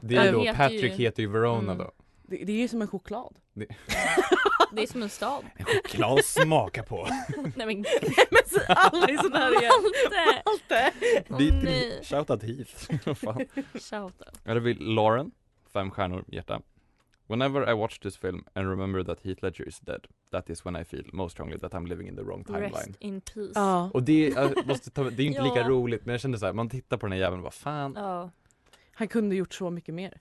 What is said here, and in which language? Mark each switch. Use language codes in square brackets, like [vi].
[sv] det är då Patrick heter ju Verona då. Det är ju som en choklad. Det är som en stad. En choklad att smaka på. Nej men aldrig sån här igen. Malte. [en] Shout out Heath. Shout out. [sv] Eller vill Lauren, 5 stjärnor, hjärta. [en] Whenever I watch this film and remember that Heath Ledger is dead, that is when I feel most strongly that I'm living in the wrong timeline. Rest in peace. [sv] Ja. Och det, det är inte lika roligt, men jag kände så här, man tittar på den här jäveln, vad fan. Ja. Han kunde gjort så mycket mer.